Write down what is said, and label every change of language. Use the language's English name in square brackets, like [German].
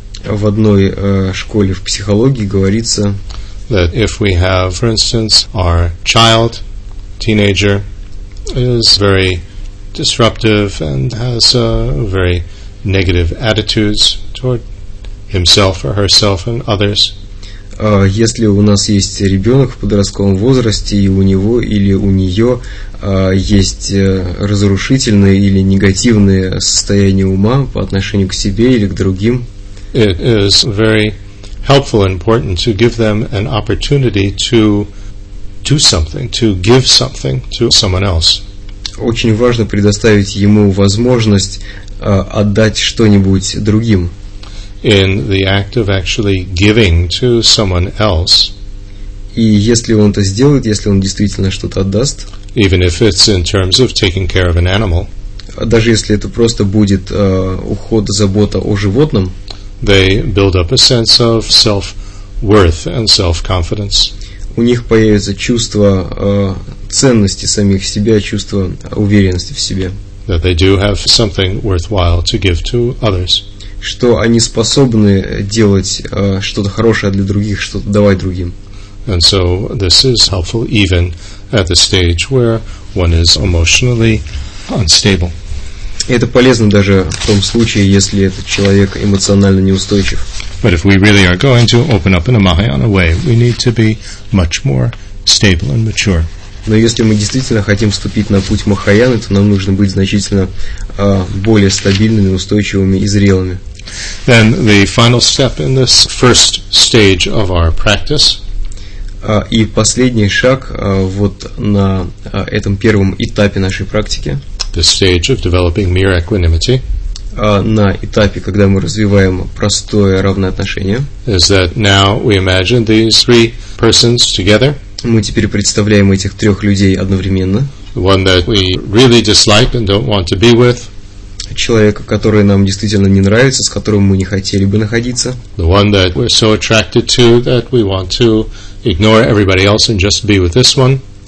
[Russian] В одной школе в психологии говорится, [English] that if we have, for instance, our child, teenager, is very disruptive and has very negative attitudes toward himself or herself and others. [Russian] Если у нас есть ребенок в подростковом возрасте, и у него или у нее есть разрушительные или негативные состояния ума по отношению к себе или к другим, [English] it is very helpful and important to give them an opportunity to do something, to give something to someone else. [Russian] Очень важно предоставить ему возможность отдать что-нибудь другим. [English] In the act of actually giving to someone else. [Russian] И если он это сделает, если он действительно что-то отдаст, [English] even if it's in terms of taking care of an animal, [Russian] даже если это просто будет уход, забота о животном, [English] they build up a sense of self-worth and self-confidence. [Russian] У них появится чувство ценности самих себя, чувство уверенности в себе. [English] That they do have something worthwhile to give to others. [Russian] Что они способны делать что-то хорошее для других, что-то давать другим. [English] And so this is helpful even at the stage where one is emotionally unstable. [Russian] Это полезно даже в том случае, если этот человек эмоционально неустойчив. [English] But if we really are going to open up in a Mahayana way, we need to be much more stable and mature. [Russian] Но если мы действительно хотим вступить на путь Махаяны, то нам нужно быть значительно более стабильными, устойчивыми и зрелыми. [English] Then the final step in this first stage of our practice. [Russian] И последний шаг вот на этом первом этапе нашей практики. [English] The stage of developing mere equanimity. [Russian] На этапе, когда мы развиваем простое равное отношение. [English] Is that now we imagine these three persons together? [Russian] Мы теперь представляем этих трех людей одновременно. [English] One that we really dislike and don't want to be with. [Russian] Человека, который нам действительно не нравится, с которым мы не хотели бы находиться. [English] The one that we're so attracted to that we want to ignore everybody else and just be with this one.